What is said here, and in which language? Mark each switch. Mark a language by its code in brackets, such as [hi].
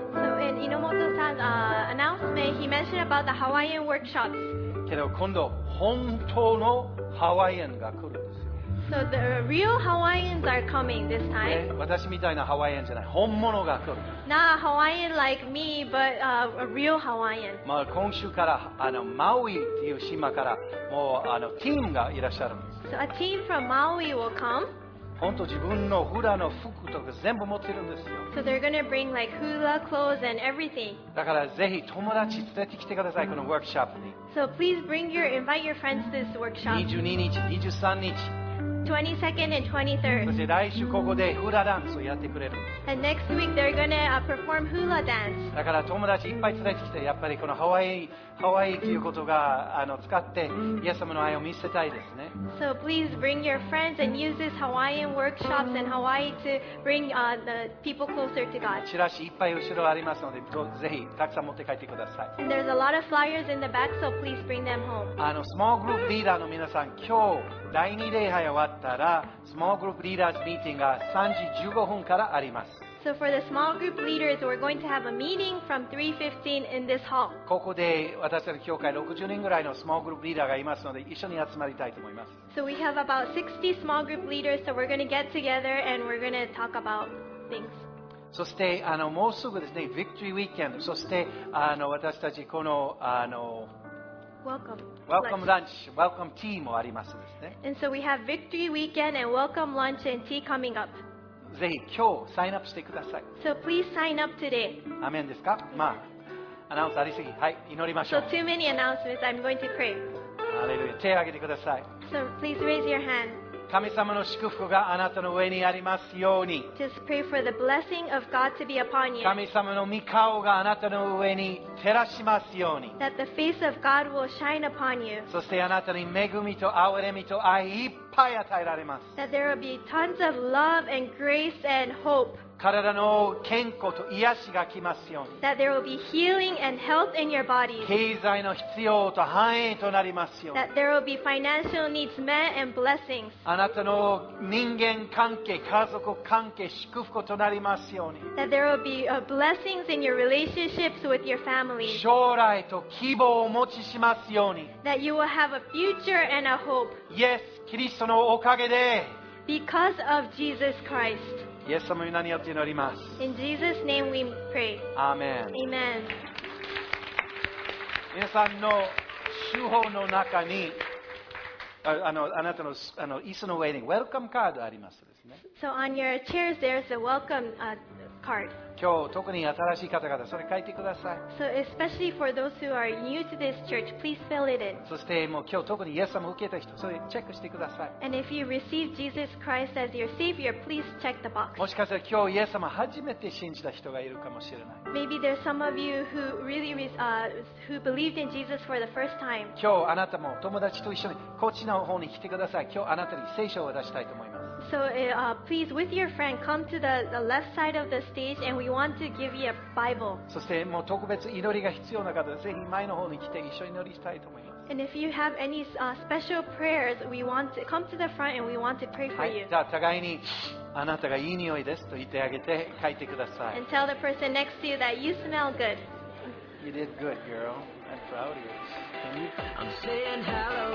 [en] So in Inomoto-san's announcement, he mentioned about the Hawaiian workshops. [ja] けど今度本当のハワイアンが来るんですよ。 [en] So the real Hawaiians are coming this time. [ja] 私みたいなハワイアンじゃない、本物が来る。 [en] Not a Hawaiian like me, but a real Hawaiian. [ja] まあ今週からマウイという島からもうチームがいらっしゃるんです。 [en] So a team from Maui will come. [ja] 本当自分のフーラの服とか全部持ってるんですよ。 [en] So they're gonna bring like hula clothes and everything. [ja] だからぜひ友達連れてきてくださいこのワークショップに。 [en] So please bring your invite your friends to this workshop. [ja] 22日、23日。 [en] 22nd and 23rd. [ja] そして来週ここでフーラダンスをやってくれるんです。 [en] And next week they're gonna perform hula dance. [ja] だから友達いっぱい連れてきてやっぱりこのハワイということが使ってイエス様の愛を見せたいですね。 [en] So please bring your friends and use this Hawaiian workshops in Hawaii to bring the people closer to God. [ja] チラシいっぱい後ろありますのでぜひたくさん持って帰ってください。 [en] And there's a lot of flyers in the back, so please bring them home. [ja] スモールグループリーダーの皆さん、今日第2礼拝終わったらスモールグループリーダーズミーティングが3時15分からあります。 [en] So for the small group leaders, we're going to have a meeting from 3:15 in this hall. [ja] ここで私たち教会60人ぐらいのスモールグループリーダーがいますので一緒に集まりたいと思います。 [en] So we have about 60 small group leaders, so we're going to get together and we're going to talk about things. [ja] そしてもうすぐですね、Victory Weekend。そして私たちこのWelcome lunch. Welcome tea もありますですね。 [en] And so we have Victory Weekend and Welcome Lunch and Tea coming up. [ja] ぜひ今日サインアップしてください。 [en] So please sign up today. [ja] アメンですか？まあ、アナウンスありすぎ。はい、祈りましょう。 [en] So too many announcements. I'm going to pray. [ja] ハレルヤ。手を挙げてください。 [en] So please raise your hand. [ja] 神様の祝福があなたの上にありますように。 [en] Just pray for the blessing of God to be upon you. [ja] 神様の御顔があなたの上に照らしますように。 [en] That the face of God will shine upon you. [ja] そしてあなたに恵みと憐れみと愛いっぱい。 [en] That there will be tons of love and grace and hope. [ja] 体の健康と癒しが来ますように。 [en] That there will be healing and health in your body. [ja] 経済の必要と繁栄となりますように。 [en] That there will be financial needs met and blessings. [ja] あなたの人間関係、家族関係、祝福となりますように。 [en] That there will be blessings in your relationships with your family. [ja] 将来と希望をお持ちしますように。 [en] That you will have a future and a hope. [ja] イエス、キリストのおかげで。 [en] Because of Jesus Christ. [ja] イエス様の名によって祈ります。 [en] In Jesus' name we pray. Amen. Amen. [ja] 皆さんの手法の中に、あなたの椅子の上にウェルカムカードありますですね。 [en] So on your chairs there's a welcome card. [ja] 今日特に新しい方々それ書いてください。 [en] So especially for those who are new to this church, please fill it in. [ja] そしてもう今日特にイエス様を受けた人それチェックしてください。 [en] And if you receive Jesus Christ as your Savior, please check the box. [ja] もしかしたら今日イエス様初めて信じた人がいるかもしれない。 [en] Maybe there's some of you who really who believed in Jesus for the first time. [ja] 今日あなたも友達と一緒にこっちの方に来てください。今日あなたに聖書を出したいと思います。 [en] So please with your friend come to the left side of the stage and we want to give you a Bible. [ja] そしてもう特別祈りが必要な方はぜひ前の方に来て一緒に祈りしたいと思います。 [en] And if you have any special prayers, we want to come to the front and we want to pray for you. [ja] はい、じゃあ互いにあなたがいい匂いですと言ってあげて書いてください。 [en] And tell the person next to you that you smell good. You did good, girl. I'm proud of you. I'm saying how